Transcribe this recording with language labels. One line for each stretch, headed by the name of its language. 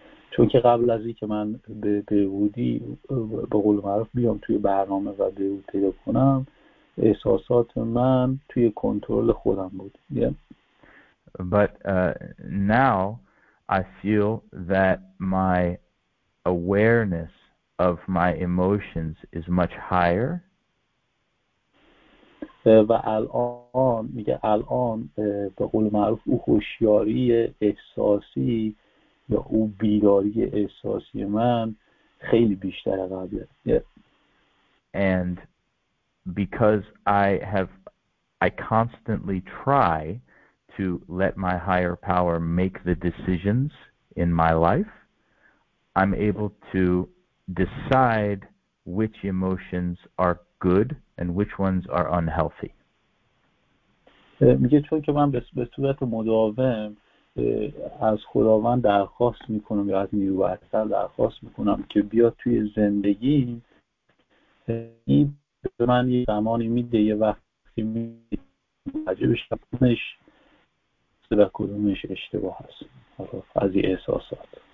Persian: چون که قبل از اینکه من به بهبودی به قول معروف بیام توی برنامه و بهبود پیدا کنم احساسات من توی کنترل خودم بود.
English: But now I feel that my awareness of my emotions is much higher.
Persian: و الان میگه الان به قول معروف او هوشیاری احساسی یا او بیداری احساسی من خیلی بیشتر قبله.
English: And because I constantly try to let my higher power make the decisions in my life, I'm able to decide which emotions are good and which ones are unhealthy.
Persian: میگه چون که من به صورت مداوم از خداوند درخواست میکنم یا از نیروی اصل درخواست میکنم که بیا توی زندگی یعنی به من یه زمانی میده، یه وقتی میده به کدومش به کدومش اشتباه هست از این احساسات.